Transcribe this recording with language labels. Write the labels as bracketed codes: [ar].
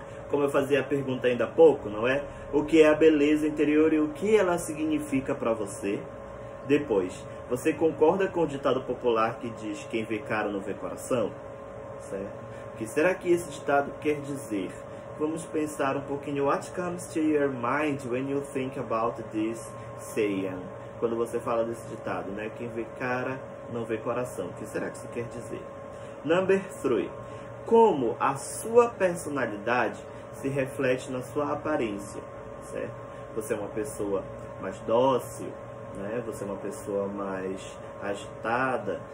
[pt] Como eu fazia a pergunta ainda há pouco, não é? O que é a beleza interior e o que ela significa para você? Depois, você concorda com o ditado popular que diz quem vê cara não vê coração? Certo? O que será que esse ditado quer dizer? Vamos pensar um pouquinho. [en] What comes to your mind when you think about this saying? [pt] Quando você fala desse ditado, né? Quem vê cara não vê coração. O que será que isso quer dizer? [en] Number 3. [pt] Como a sua personalidade se reflete na sua aparência? Certo? Você é uma pessoa mais dócil? Né? Você é uma pessoa mais agitada.